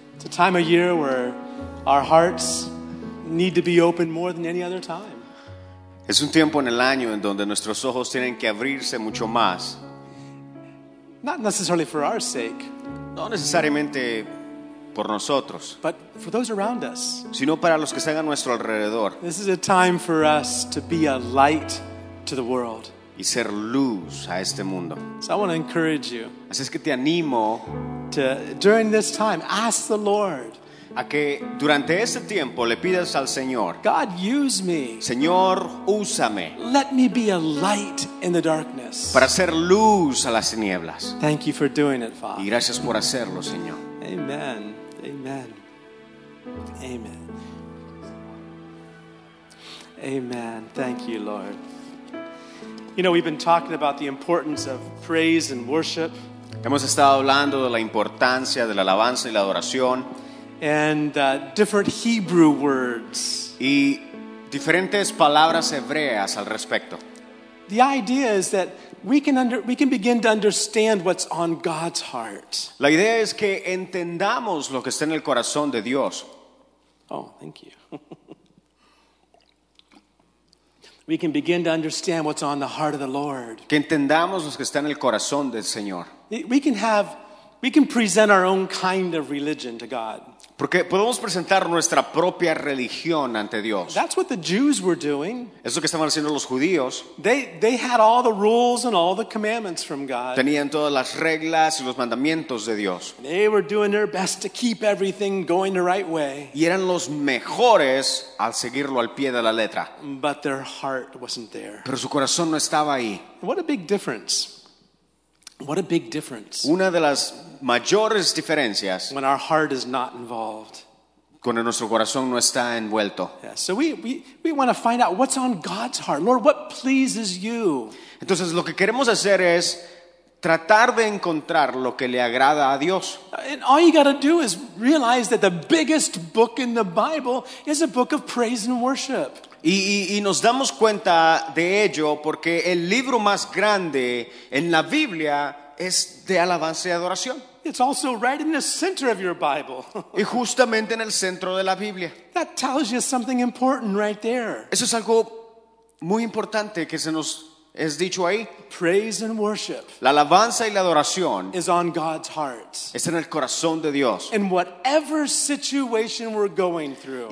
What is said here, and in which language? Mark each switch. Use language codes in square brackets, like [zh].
[en] Time of year where our hearts need to be open more than any other time. [es] Es un tiempo en el año en donde nuestros ojos tienen que abrirse mucho más. [en] Not necessarily for our sake. [es] No necesariamente por nosotros. [en] But for those around us. [es] Sino para los que están a nuestro alrededor. [en] This is a time for us to be a light to the world. [es] Y ser luz a este mundo. [en] So I want to encourage you. [es] Así es que te animo. [en] To, during this time, ask the Lord. [es] A que durante ese tiempo le pidas al Señor. [en] God, use me. [es] Señor, úsame. [en] Let me be a light in the darkness. [es] Para ser luz a las tinieblas. [en] Thank you for doing it, Father. [es] Y gracias por hacerlo, Señor. [en] Amen. Amen. Amen. Amen. Thank you, Lord. You know, we've been talking about the importance of praise and worship. [es] Hemos estado hablando de la importancia de la alabanza y la adoración. [en] And different Hebrew words. [es] Y diferentes palabras hebreas al respecto. [en] The idea is that we can begin to understand what's on God's heart. [es] La idea es que entendamos lo que está en el corazón de Dios. [en] Oh, thank you. We can begin to understand what's on the heart of the Lord. [es] Que entendamos lo que está en el corazón del Señor. [en] We can present our own kind of religion to God. [es] Porque podemos presentar nuestra propia religión ante Dios. [en] That's what the Jews were doing. [es] Eso que estaban haciendo los judíos. [en] They had all the rules and all the commandments from God. [es] Tenían todas las reglas y los mandamientos de Dios. [en] They were doing their best to keep everything going the right way. [es] Y eran los mejores al seguirlo al pie de la letra. [en] But their heart wasn't there. [es] Pero su corazón no estaba ahí. [en] What a big difference. What a big difference. [es] Una de las mayores diferencias. [en] When our heart is not involved. [es] Cuando nuestro corazón no está envuelto. [en] Yeah, so we want to find out what's on God's heart. Lord, what pleases you? [es] Entonces lo que queremos hacer es tratar de encontrar lo que le agrada a Dios. [en] And all you got to do is realize that the biggest book in the Bible is a book of praise and worship. [es] Y nos damos cuenta de ello porque el libro más grande en la Biblia es de alabanza y adoración. [en] It's also right in the center of your Bible. [es] Y justamente en el centro de la Biblia. [en] That tells you something important right there. [es] Eso es algo muy importante que se nos es dicho ahí. [en] Praise and worship. [es] La alabanza y la adoración [en] is on God's heart. [es] Es en el corazón de Dios. [en] In whatever situation we're going through.